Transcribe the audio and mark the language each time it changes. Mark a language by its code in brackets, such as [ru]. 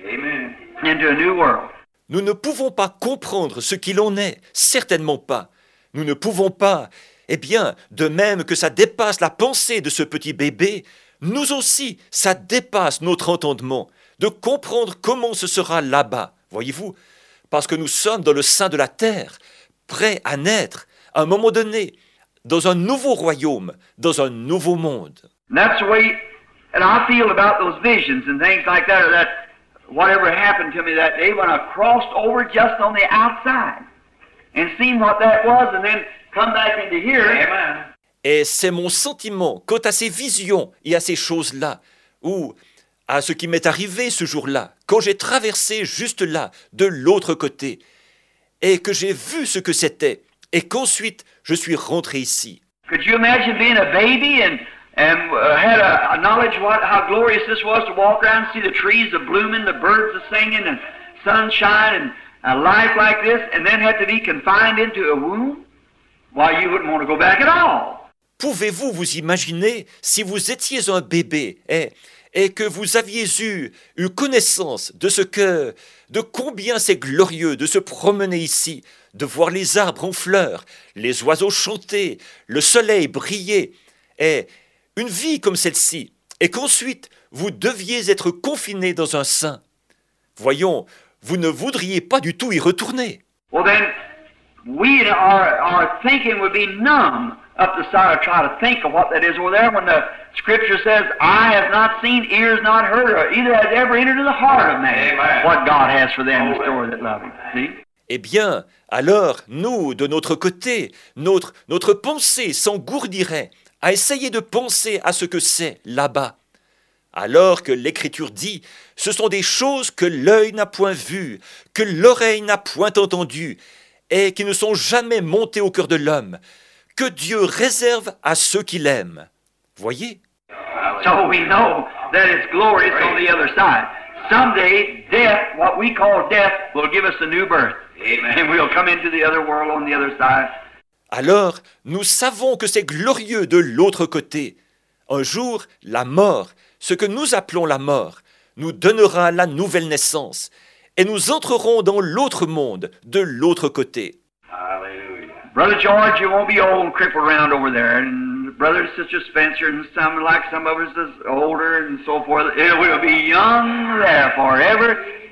[en] Amen. Into a new world. [fr] Nous ne pouvons pas comprendre ce qu'il en est, certainement pas. Nous ne pouvons pas. Eh bien, de même que ça dépasse la pensée de ce petit bébé, nous aussi, ça dépasse notre entendement de comprendre comment ce sera là-bas, voyez-vous. Parce que nous sommes dans le sein de la terre, prêts à naître, à un moment donné, dans un nouveau royaume, dans un nouveau monde. [en] That's the way. And I feel about those visions and things like that, or that whatever happened to me that day when I crossed over just on the outside and seen what that was and then come back into here. Amen. [fr] Et c'est mon sentiment quant à ces visions et à ces choses-là, ou à ce qui m'est arrivé ce jour-là, quand j'ai traversé juste là, de l'autre côté, et que j'ai vu ce que c'était, et qu'ensuite je suis rentré ici. [en] Could you imagine being a baby and had a knowledge what how glorious this was to walk around and see the trees a blooming, the birds a singing, and sunshine, and a life like this, and then had to be confined into a womb? Why, you wouldn't want to go back at all. [fr] Pouvez-vous vous imaginer si vous étiez un bébé et que vous aviez eu connaissance de ce que, de combien c'est glorieux de se promener ici, de voir les arbres en fleurs, les oiseaux chanter, le soleil briller, et une vie comme celle-ci, et qu'ensuite, vous deviez être confiné dans un sein. Voyons, vous ne voudriez pas du tout y retourner. [en] Well then, we our thinking would be numb up the side of trying to think of what that is over there when the scripture says, I have not seen, ears not heard, or either has ever entered in the heart of man. Amen. What God has for them, the story that love him. See? [fr] Eh bien, alors, nous, de notre côté, notre pensée s'engourdirait à essayer de penser à ce que c'est là-bas. Alors que l'Écriture dit, ce sont des choses que l'œil n'a point vues, que l'oreille n'a point entendues, et qui ne sont jamais montées au cœur de l'homme, que Dieu réserve à ceux qui l'aiment. Voyez. [en] So we know that it's glorious on the other side. Someday, death, what we call death, will give us a new birth. Amen. And we'll come into the other world on the other side. [fr] Alors, nous savons que c'est glorieux de l'autre côté. Un jour, la mort, ce que nous appelons la mort, nous donnera la nouvelle naissance et nous entrerons dans l'autre monde, de l'autre côté. [en] Hallelujah. Brother George, you won't be old crippled around over there. And brother and sister Spencer, and some like some of us is older and so forth, it will be young there forever.